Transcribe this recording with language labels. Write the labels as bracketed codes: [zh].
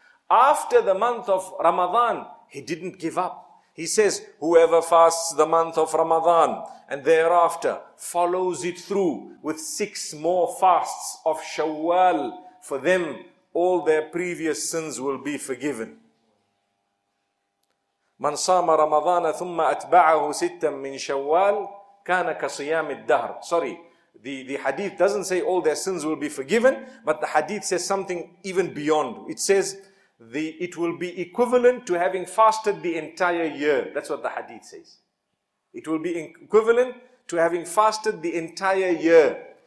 [en] After the month of Ramadan, he didn't give up. He says, whoever fasts the month of Ramadan and thereafter follows it through with 6 more fasts of Shawwal, for them, all their previous sins will be forgiven. [ar] من صام رمضان ثم أتبعه ستا من شوال كان كصيام الدهر. [en] Sorry, the hadith doesn't say all their sins will be forgiven, but the hadith says something even beyond. It says it will be equivalent to having fasted the entire year. That's what the hadith says. It will be equivalent to having fasted the entire year.